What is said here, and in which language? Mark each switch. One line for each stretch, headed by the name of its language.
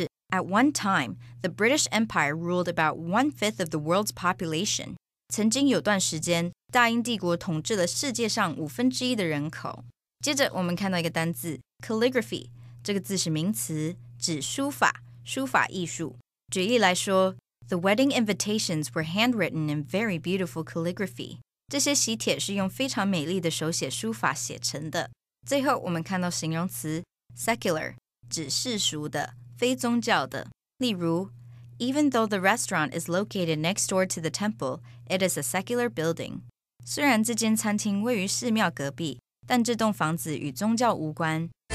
English: At one time, the British Empire ruled about one-fifth of the world's population.
Chinese: 曾经有段时间，大英帝国统治了世界上五分之一的人口。接着我们看到一个单字 calligraphy， 这个字是名词，指书法、书法艺术。举例来说
English: ，The wedding invitations were handwritten in very beautiful calligraphy.
Chinese: 这些喜帖是用非常美丽的手写书法写成的。最后我们看到形容词 secular， 指世俗的。非宗教的。例如
English: ,Even though the restaurant is located next door to the temple, it is a secular building.
Chinese: 虽然这间餐厅位于寺庙隔壁,但这栋房子与宗教无关。